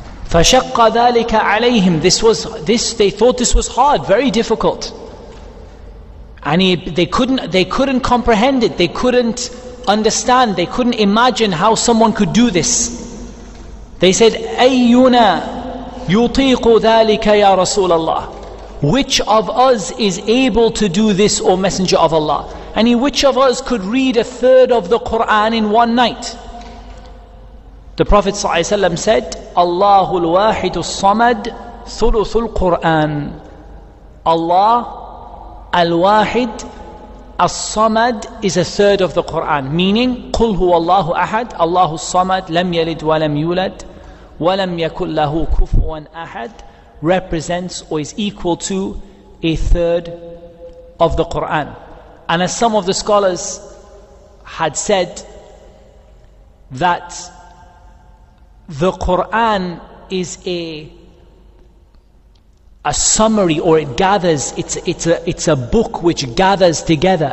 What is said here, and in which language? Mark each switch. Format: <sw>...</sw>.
<ar>فَشَقَّ ذَٰلِكَ عَلَيْهِمْ.</ar> <en>This was, they thought this was hard, very difficult. And they couldn't comprehend it. They couldn't understand. They couldn't imagine how someone could do this. They said,</en> <ar>أَيُّنَا يُطِيقُ ذَلِكَ يَا رَسُولَ اللَّهِ.</ar> <en>Which of us is able to do this, O Messenger of Allah? And which of us could read a third of the Qur'an in one night? The Prophet ﷺ said,</en> <ar>اللَّهُ الْوَاحِدُ الصَّمَدُ ثُلُثُ الْقُرْآنِ.</ar> <en>Allah, Al-Wahid, As-Samad is a third of the Qur'an. Meaning,</en> <ar>قُلْ هُوَ اللَّهُ أَحَدُ اللَّهُ الصَّمَدُ لَمْ يَلِدْ وَلَمْ يُولَدْ وَلَمْ يَكُلْ لَهُ كُفُوًا أَحَدٌ</ar> <en>represents or is equal to a third of the Qur'an. And as some of the scholars had said, that the Qur'an is a summary, or it gathers, it's a book which gathers together.</en>